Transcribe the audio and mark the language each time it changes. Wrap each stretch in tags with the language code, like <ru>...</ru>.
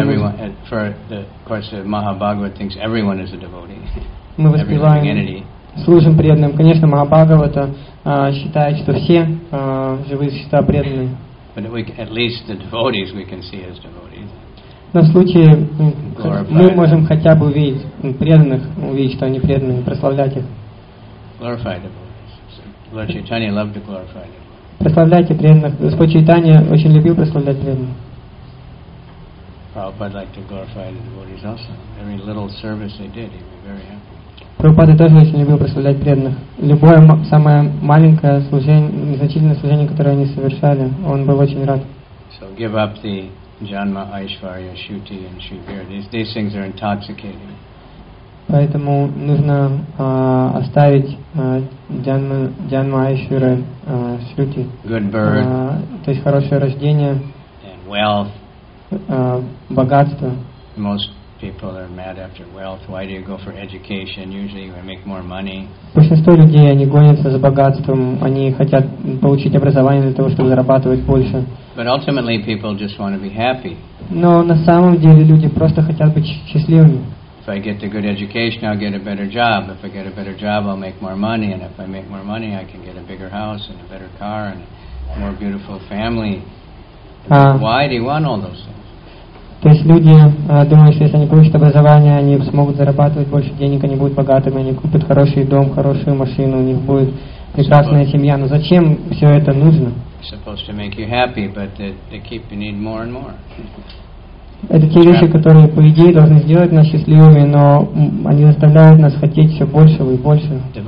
<en>Everyone, for the of course, the Mahabhagavat thinks everyone is a devotee.</en> <ru>Мы воспеваем. Служим преданным. Конечно, Mahabhagavata считает, что все живые существа преданные.</ru> <en>But we, at least the devotees we can see as devotees.</en> <ru>На случай мы можем хотя бы увидеть преданных, увидеть, что они преданные, прославлять их.</ru> <en>Glorify devotees. Lord Chaitanya loved to glorify them.</en> <ru>Прославляйте преданных. Господь Чайтанья очень любил прославлять преданных.</ru> <en>Prabhupada liked to glorify the devotees also. Every little service they did, he'd be very happy.</en> <ru>Прабхупада тоже очень любил прославлять преданных. Любое самое маленькое служение, незначительное служение, которое они совершали, он был очень рад.</ru> <en>So give up the Janma, Aishwarya, Shuti and Shivir. These things are intoxicating.</en> <ru>Поэтому нужно оставить Джанма Айшвира Шрути.</ru> <en>Good birth.</en> <ru>То есть хорошее рождение.</ru> <en>And wealth.</en> <ru>Богатство.</ru> <en>Most people are mad after wealth. Why do you go for education? Usually you make more money.</en> <ru>Большинство людей, они гонятся за богатством. Они хотят получить образование для того, чтобы зарабатывать больше.</ru> <en>But ultimately people just want to be happy.</en> <ru>Но на самом деле люди просто хотят быть счастливыми.</ru> <en>If I get a good education, I'll get a better job. If I get a better job, I'll make more money. And if I make more money, I can get a bigger house and a better car and a more beautiful family. Why do you want all those things?</en> <ru>То есть люди думают, что если они получат образование, они смогут зарабатывать больше денег, они будут богатыми, они купят хороший дом, хорошую машину, у них будет прекрасная семья. Но зачем все это нужно?</ru> <en>Supposed to make you happy, but they keep you need more and more.</en> <ru>Это те вещи, которые, по идее, должны сделать нас счастливыми, но они заставляют нас хотеть все большего и большего.</ru>